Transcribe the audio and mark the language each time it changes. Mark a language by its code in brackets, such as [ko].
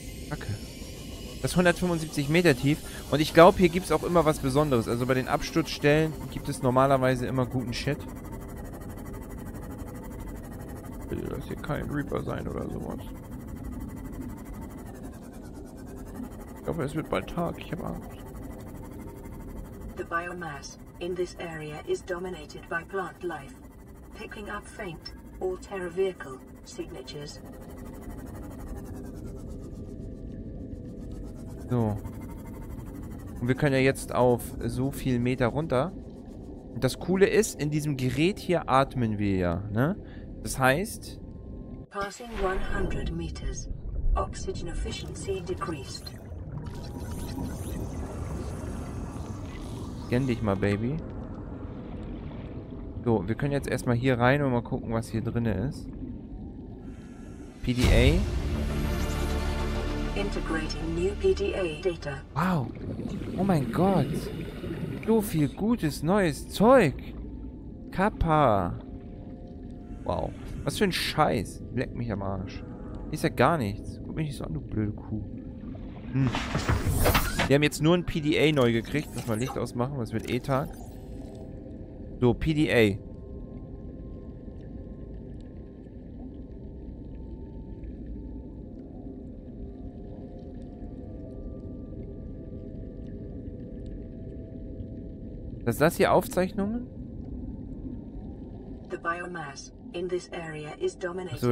[de] Kacke. Das ist 175 Meter tief. Und ich glaube, hier gibt es auch immer was Besonderes. Also bei den Absturzstellen gibt es normalerweise immer guten Shit. Will das hier kein Reaper sein oder sowas? Ich glaube, es wird bald Tag. Ich habe Angst. [en] The biomass in this area is dominated by plant life. Picking up faint or terra vehicle signatures. [de] So. Und wir können ja jetzt auf so viel Meter runter. Und das Coole ist, in diesem Gerät hier atmen wir ja, ne? Das heißt... [en] Passing 100 meters. Oxygen efficiency decreased. [de] Gönn dich mal, Baby. So, wir können jetzt erstmal hier rein und mal gucken, was hier drin ist. PDA. [en] Integrating new PDA data. [de] Wow. Oh mein Gott. So viel gutes neues Zeug. Kappa. Wow. Was für ein Scheiß. Leck mich am Arsch. Ist ja gar nichts. Guck mich nicht so an, du blöde Kuh. Hm. Wir haben jetzt nur ein PDA neu gekriegt. Muss mal Licht ausmachen. Was wird E-Tag? So, PDA. Was ist das hier, Aufzeichnungen? [en] The biomass in this area is dominated so,